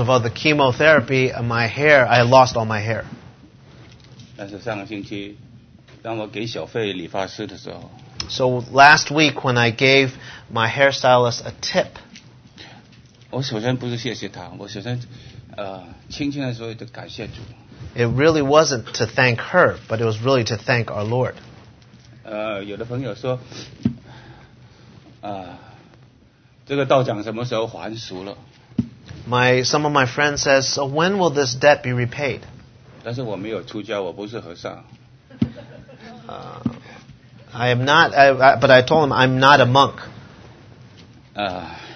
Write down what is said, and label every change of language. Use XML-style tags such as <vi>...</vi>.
<en>of all the chemotherapy, my hair, I lost all my hair.</en> <zh>但是上个星期，当我给小费理发师的时候，</zh> <en>So last week when I gave my hairstylist a tip,</en> <zh>我首先不是谢谢他，我首先。</zh> <en>It really wasn't to thank her, but it was really to thank our Lord.</en> <zh>有的朋友说，这个道长什么时候还俗了？</zh> <en>Some of my friends says, so when will this debt be repaid?</en> <zh>但是我没有出家，我不是和尚。</zh> <en>I am not, but I told him I'm not a monk.</en>